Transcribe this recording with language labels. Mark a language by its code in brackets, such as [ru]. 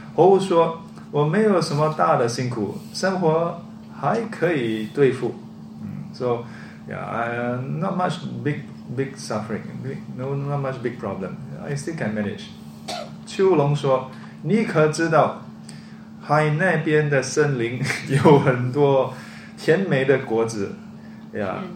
[zh] 猴说，我没有什么大的辛苦，生活还可以对付。 [en] So, yeah, not much big suffering, not much big problem. I still can manage. [zh] 秋龙说。你可知道海那边的森林有很多甜美的果子呀、